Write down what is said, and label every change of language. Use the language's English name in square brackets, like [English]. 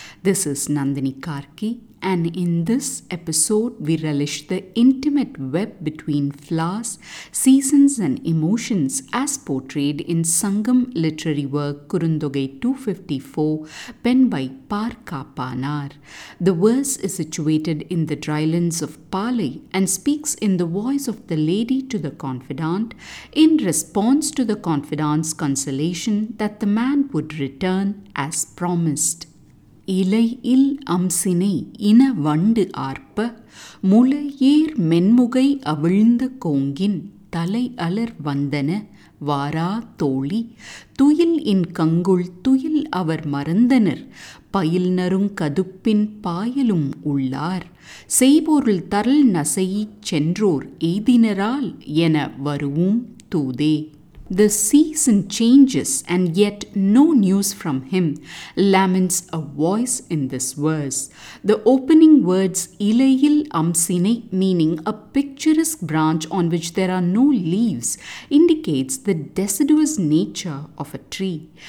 [English] This is Nandini Karki, and in this episode we relish the intimate web between flowers, seasons and emotions as portrayed in Sangam literary work Kurundogai 254 penned by Parka Panar. The verse is situated in the drylands of Pali and speaks in the voice of the lady to the confidant in response to the confidant's consolation that the man would return as promised. [Tamil] இலை இல் அம்சினை இன வண்டு ஆர்ப்ப முளையேர் மென்முகை அவிழ்ந்த கோங்கின் தலை அலர் வந்தன வாரா தோழி துயில் இன் கங்குள் துயில் அவர் மறந்தனர் பயில்நரும் கதுப்பின் பாயலும் உள்ளார் செய்போருள் தரல் நசையிச் சென்றோர் எய்தினரால் என வருவோம் தூதே. [English] The season changes and yet no news from him, laments a voice in this verse. The opening words [Tamil] ilayil amsine, [English] meaning a picturesque branch on which there are no leaves, indicates the deciduous nature of a tree.